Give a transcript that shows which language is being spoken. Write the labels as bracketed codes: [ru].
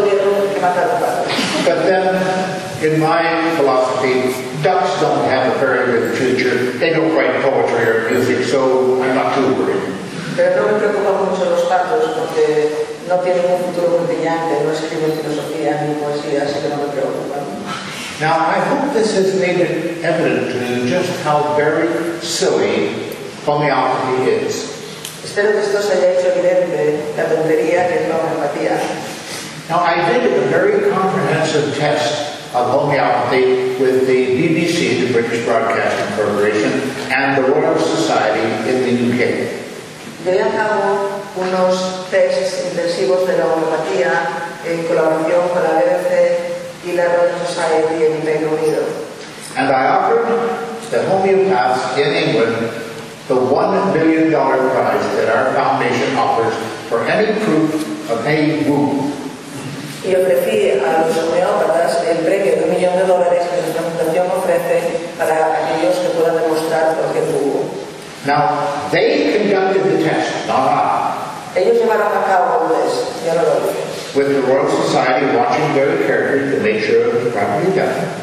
[en] But then, in my philosophy, ducks don't have a very good future. They don't write poetry or music, so I'm not too worried. [es] Pero no me preocupan mucho los patos porque no tienen un futuro muy brillante, no escriben filosofía ni poesía, así que no me preocupan. [en] Now, I hope this has made it evident to you just how very silly homeopathy is. [es] Espero que esto se haya hecho evidente, la tontería que es la homeopatía. [en] Now, I did a very comprehensive test of homeopathy with the BBC, the British Broadcasting Corporation, and the Royal Society in the UK. [es] Yo ya hago unos tests intensivos de la homeopatía en colaboración con la BBC y la Royal Society en Reino Unido. [en] And I offered the homeopaths in England the $1 billion prize that our foundation offers for any proof of any woo. [es] Y ofrecí a los homeópatas el premio de $1 million que nuestra fundación ofrece para aquellos que puedan demostrar cualquier woo. [en] Now, they conducted the test, not I. [es] Ellos llevaron a cabo el test, yo no lo hice. [en] With the Royal Society watching very carefully to make sure it was properly done.